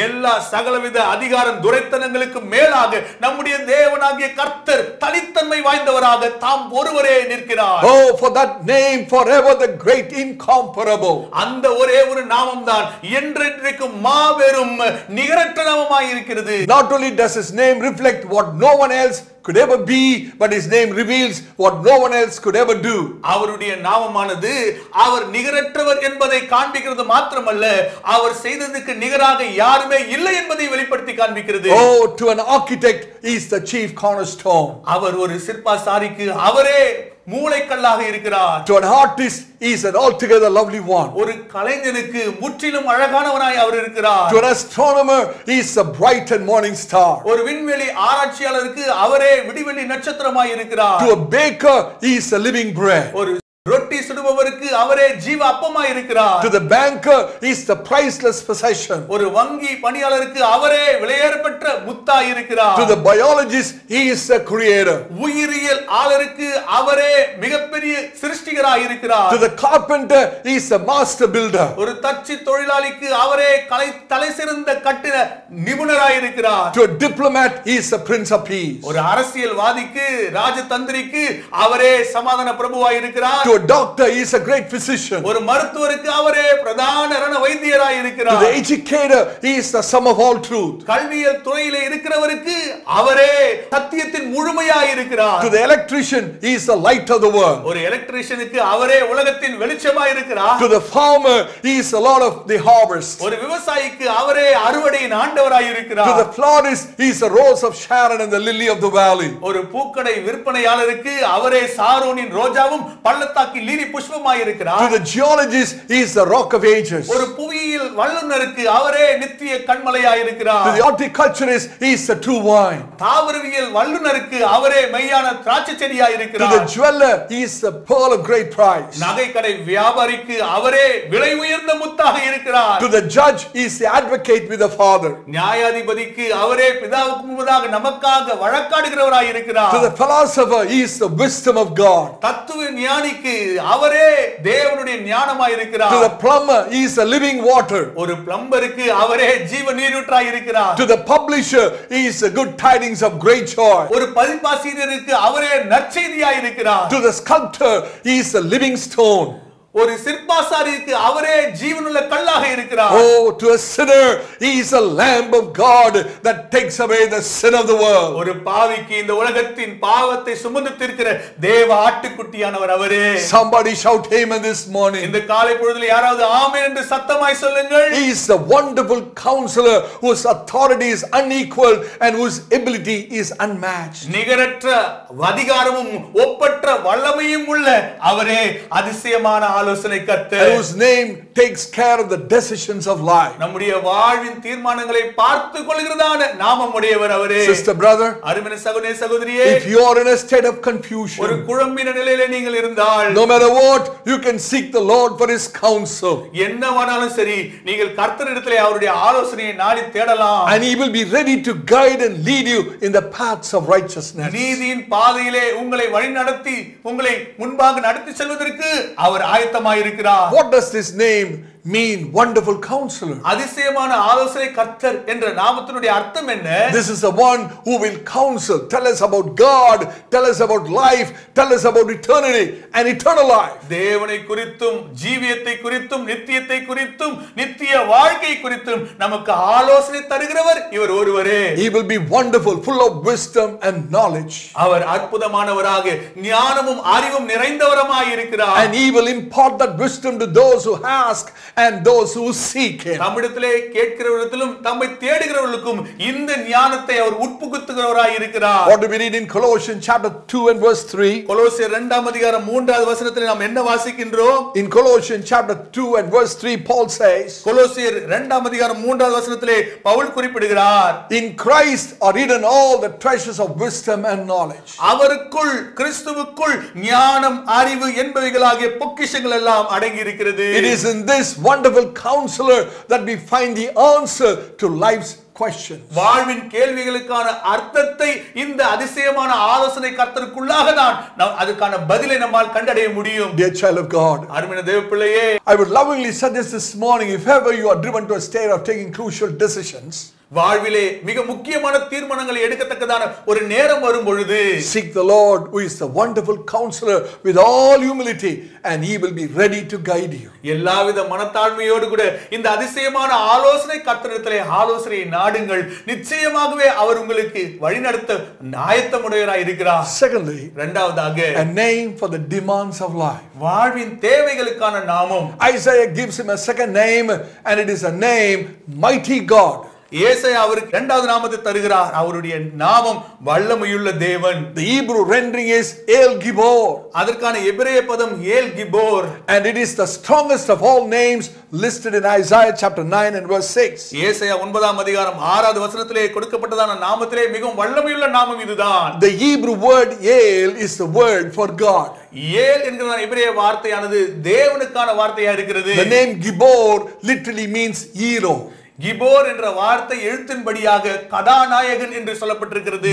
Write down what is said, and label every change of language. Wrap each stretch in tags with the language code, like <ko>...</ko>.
<ta>எல்லா சகலவித அதிகாரம் துரைத்தனங்களுக்கு மேலாக நம்முடைய தேவனாகிய கர்த்தர் தனித்தன்மை வாய்ந்தவராக தாம் ஒருவரே நிற்கிறார்</ta> <en>Oh for that name forever the great incomparable</en> <ta>அந்த ஒரே ஒரு நாமம்தான் என்றென்றைக்கும் மாபெரும் நிகரற்ற நாமமாய் இருக்கிறது</ta> <en>Not only does his name reflect what no one else could ever be but his name reveals what no one else could ever do</en> <ta>அவருடைய நாமமானது அவர் நிகரற்றவர் என்பதை காண்பிக்கிறது மட்டுமல்ல அவர் செய்ததற்கு நிகராக யாருமே இல்லை என்பதை வெளிப்படுத்தி காண்பிக்கிறது</ta> <en>Oh to an architect he is the chief cornerstone</en> <ta>அவர் ஒரு சிற்பாசாரிக்கு அவரே மூளைக்கல்லாக இருக்கிறார்</ta> <en>To an artist he is an altogether lovely one</en> <ta>ஒரு கலைஞனுக்கு முற்றிலும் அழகானவனாய் அவர் இருக்கிறார்</ta> <en>To an astronomer he is a bright and morning star</en> <ta>ஒரு விண்வெளி ஆராய்ச்சியாளருக்கு அவரே விடிவெளி நட்சத்திரமாய் இருக்கிறார்</ta> <en>To a baker he is a living bread</en> <ta>ஒரு ரொட்டி சுடுபவருக்கு அவரே ஜீவ அப்பமாய் இருக்கிறார்</ta> <en>To the banker he is the priceless possession</en> <ta>ஒரு வங்கி பணியாளருக்கு அவரே விலையேறப்பட்ட முத்தாய் இருக்கிறார்</ta> <en>To the biologist he is the creator</en> <ta>உயிரியல் ஆளருக்கு அவரே மிகப்பெரிய சிருஷ்டிகராய் இருக்கிறார்</ta> <en>To the carpenter he is the master builder</en> <ta>ஒரு தச்சு தொழிலாளிக்கு அவரே தலைசிறந்த கட்டிட நிபுணராய் இருக்கிறார்</ta> <en>To a diplomat he is the prince of peace</en> <ta>ஒரு அரசியல்வாதிக்கு ராஜதந்திரிக்கு அவரே சமாதான பிரபுவாய் இருக்கிறார்</ta> <en>To a doctor, he is a great physician.</en> <ta>ஒரு மருத்துவருக்கு அவரே பிரதான ரண வைத்தியராய் இருக்கிறார்.</ta> <en>To the educator, he is the sum of all truth.</en> <ta>கல்வியில் துறையிலே இருக்கிறவருக்கு அவரே சத்தியத்தின் முழுமையாய் இருக்கிறார்.</ta> <en>To the electrician, he is the light of the world.</en> <ta>ஒரு எலக்ட்ரீஷியனுக்கு அவரே உலகத்தின் வெளிச்சமாய் இருக்கிறார்.</ta> <en>To the farmer, he is the lord of the harvest.</en> <ta>ஒரு விவசாயிக்கு அவரே அறுவடையின் ஆண்டவராய் இருக்கிறார்.</ta> <en>To the florist, he is the rose of Sharon and the lily of the valley.</en> <ta>ஒரு பூக்கடை விற்பனையாளருக்கு அவரே சாரோனின் ரோஜாவும் பள்ளத்தாக்கு லீலி புஷ்பமாய் இருக்கிறார்</ta> <en>To the geologist he is the rock of ages</en> <ta>ஒரு புவியில் வல்லுனருக்கு அவரே நித்திய கண்மலையாய் இருக்கிறார்</ta> <en>To the horticulturist he is the true wine</en> <ta>தாவரவியல் வல்லுனருக்கு அவரே மெய்யான திராட்சை செடியாய் இருக்கிறார்</ta> <en>To the jeweler he is the pearl of great price</en> <ta>நகைக்கடை வியாபாரிக்கு அவரே விலை உயர்ந்த முத்தாக இருக்கிறார்</ta> <en>To the judge he is the advocate with the father</en> <ta>நியாயாதிபதிக்கு அவரே பிதாவுக்கு முன்பாக நமக்காக வழக்காடுகிறவராய் இருக்கிறார்</ta> <en>To the philosopher he is the wisdom of god</en> <ta>தத்துவ ஞானிக்கு அவரே தேவனுடைய ஞானமாய் இருக்கிறார்</ta> <en>To the plumber he is a living water</en> <ta>ஒரு பிளம்பருக்கு அவரே ஜீவ நீரூற்றாய் இருக்கிறார்</ta> <en>To the publisher he is a good tidings of great joy</en> <ta>ஒரு பதிப்பாசிரியருக்கு அவரே நற்செய்தியாய் இருக்கிறார்</ta> <en>To the sculptor he is a living stone</en> <ta>ஒரு சிற்பாசாரிக்கு அவரே ஜீவனுள்ள கல்லாக இருக்கிறார்</ta> <en>Oh to a sinner he is a lamb of god that takes away the sin of the world</en> <ta>ஒரு பாவிக்கு இந்த உலகத்தின் பாவத்தை சுமந்து தீர்க்கிற தேவ ஆட்டுக்குட்டியானவர் அவரே</ta> <en>Somebody shout amen this morning</en> <ta>இந்த காலை பொழுதிலே யாராவது ஆமென் என்று சத்தமாய் சொல்லுங்கள்</ta> <en>He is a wonderful counselor whose authority is unequaled and whose ability is unmatched</en> <ta>நிகரற்ற அதிகாரமும் ஒப்பற்ற வல்லமையும் உள்ள அவரே அதிசயமான</ta> <en>Whose name takes care of the decisions of life.</en> <ta>நம்முடைய வாழ்வின் தீர்மானங்களை பார்த்து கொள்கிறதான நாமமுடையவர் அவரே.</ta> <en>Sister brother,</en> <ta>அருமை சகோதரே சகோதரியே.</ta> <en>If you are in a state of confusion,</en> <ta>ஒரு குழம்பின நிலையிலே நீங்கள் இருந்தால்,</ta> <en>no matter what, you can seek the Lord for his counsel.</en> <ta>என்னவானாலும் சரி, நீங்கள் கர்த்தரிடத்திலே அவருடைய ஆலோசனையை நாடி தேடலாம்.</ta> <en>And he will be ready to guide and lead you in the paths of righteousness.</en> <ta>நீதியின் பாதையிலே உங்களை வழிநடத்தி உங்களை முன்பாக நடத்தி செல்வதற்கு அவர்</ta> <en>What does this name mean? Wonderful Counselor.</en> <ta>அதிசயமான ஆலோசனை கர்த்தர் என்ற நாமத்தினுடைய அர்த்தம் என்ன?</ta> <en>This is the one who will counsel, tell us about God, tell us about life, tell us about eternity and eternal life.</en> <ta>தேவனை குறித்தும், ஜீவியத்தை குறித்தும், நித்தியத்தை குறித்தும், நித்திய வாழ்க்கை குறித்தும் நமக்கு ஆலோசனை தருகிறவர் இவர் ஒருவரே.</ta> <en>He will be wonderful, full of wisdom and knowledge.</en> <ta>அவர் அற்புதமானவராக, ஞானமும் அறிவும் நிறைந்தவராய் இருக்கிறார்.</ta> <en>And he will impart that wisdom to those who ask and those who seek him.</en> <ta>நம்மிடத்திலே கேட்கிறவர்களுக்கும் தம்மை தேடுகிறவர்களுக்கும் இந்த ஞானத்தை அவர் உட்புகுத்துகிறவராய் இருக்கிறார்.</ta> <en>What do we read in Colossians chapter 2 and verse 3?</en> <ta>கொலோசியர் 2 அதிகாரம் 3 வசனத்திலே நாம் என்ன வாசிக்கின்றோம்?</ta> <en>In Colossians chapter 2 and verse 3 Paul says.</en> <ta>கொலோசியர் 2 அதிகாரம் 3 வசனத்திலே பவுல் குறிப்பிடுகிறார்.</ta> <en>In Christ are hidden all the treasures of wisdom and knowledge.</en> <ta>அவருக்குள் கிறிஸ்துவுக்குள் ஞானம் அறிவு என்பவைகளாகிய பொக்கிஷங்கள் எல்லாம் அடங்கி இருக்கிறது.</ta> <en>It is in this wonderful counselor that we find the answer to life's questions.</en> <ta>வாழ்வின் கேள்விகளுக்கான அர்த்தத்தை இந்த அதிசயமான ஆலோசனை கர்த்தருக்குள்ளாக தான் அதற்கான பதிலை நம்மால் கண்டடைய முடியும்.</ta> <en>Dear child of God,</en> <ta>அருமை தேவப்பிள்ளையே,</ta> <en>I would lovingly suggest this morning, if ever you are driven to a state of taking crucial decisions,</en> <ta>வாழ்விலே மிக முக்கியமான தீர்மானங்களை எடுக்கத்தக்கதான ஒரு நேரம் வரும் பொழுது,</ta> <en>seek the Lord who is the wonderful counselor with all humility and he will be ready to guide you.</en> <ta>எல்லாவித மனத்தாழ்மையோடு கூட இந்த அதிசயமான ஆலோசனை கர்த்தரிடத்திலே ஆலோசனையை நாடுங்கள். நிச்சயமாகவே அவர் உங்களுக்கு வழிநடத்த நாயத்தமுடையவராய் இருக்கிறார்.</ta> <en>Secondly,</en> <ta>இரண்டாவதாக,</ta> <en>a name for the demands of life.</en> <ta>வாழ்வின் தேவைகளுக்கான நாமம்.</ta> <en>Isaiah gives him a second name and it is a name, Mighty God.</en> <ta>ஏசாயா அவருக்கு இரண்டாவது நாமத்தை தருகிறார். அவருடைய நாமம் வல்லமையுள்ள தேவன்.</ta> <en>The Hebrew rendering is El Gibor.</en> <ta>அதற்கான எபிரேய பதம் El Gibor.</ta> <en>And it is the strongest of all names listed in Isaiah chapter 9 and verse 6.</en> <ta>ஏசாயா 9வது அதிகாரம் 6வது வசனத்திலே கொடுக்கப்பட்டதான நாமத்திலே மிகவும் வல்லமையுள்ள நாமம் இதுதான்.</ta> <en>The Hebrew word El is the word for God.</en> <ta>ஏல் என்கிற எபிரேய வார்த்தையானது தேவனுக்கான வார்த்தையா இருக்கிறது.</ta> <en>The name Gibor literally means hero.</en> <ta>கிபோர் என்ற வார்த்தை எழுத்தின்படியாக கதாநாயகன் என்று சொல்லப்பட்டிருக்கிறது.</ta>